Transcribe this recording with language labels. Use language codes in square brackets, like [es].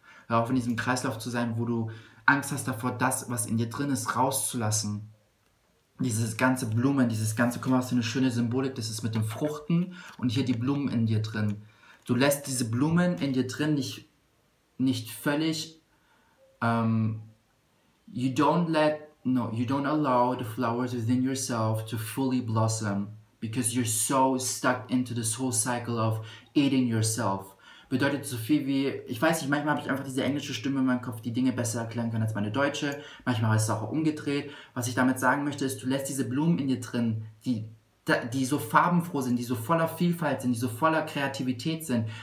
[de] Hör auf, in diesem Kreislauf zu sein, wo du Angst hast davor, das, was in dir drin ist, rauszulassen. Dieses ganze Blumen, dieses ganze, guck mal, was für eine schöne Symbolik, das ist mit den Fruchten und hier die Blumen in dir drin. Du lässt diese Blumen in dir drin nicht völlig. [en] You don't allow the flowers within yourself to fully blossom, because you're so stuck into this whole cycle of eating yourself. [de] Bedeutet so viel wie, ich weiß nicht, manchmal habe ich einfach diese englische Stimme in meinem Kopf, die Dinge besser erklären kann als meine deutsche. Manchmal ist es auch umgedreht. Was ich damit sagen möchte, ist, du lässt diese Blumen in dir drin, die so farbenfroh sind, die so voller Vielfalt sind, die so voller Kreativität sind.